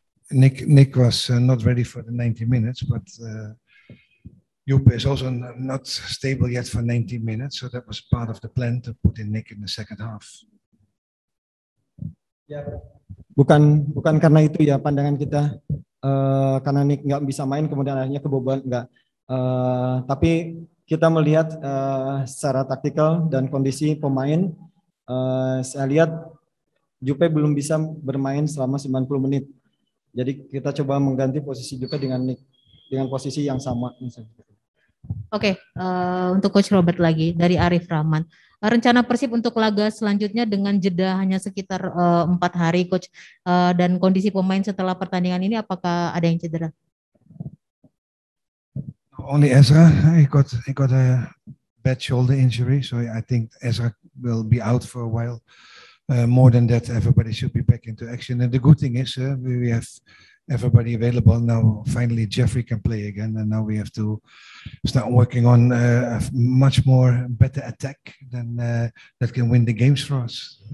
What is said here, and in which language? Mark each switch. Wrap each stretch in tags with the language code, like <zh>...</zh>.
<en>Nick was not ready for the 90 minutes, but Jupe is also not stable yet for 90 minutes, so that was part of the plan to put in Nick in the second half.</en> <id>Ya, bukan karena itu ya pandangan kita. Karena Nick nggak bisa main, kemudian akhirnya kebobolan nggak. Tapi kita melihat secara taktikal dan kondisi pemain, saya lihat Jupe belum bisa bermain selama 90 menit. Jadi kita coba mengganti posisi Jupe dengan Nick dengan posisi yang sama. Oke, untuk Coach Robert lagi dari Arif Rahman. Rencana Persib untuk laga selanjutnya dengan jeda hanya sekitar 4 hari, Coach, dan kondisi pemain setelah pertandingan ini, apakah ada yang cedera?</id> <en>Only Ezra. He got a bad shoulder injury, so I think Ezra will be out for a while. More than that, everybody should be back into action. And the good thing is, we have everybody available now. Finally, Jeffrey can play again, and now we have to start working on a much more better attack than that can win the games for us.</en>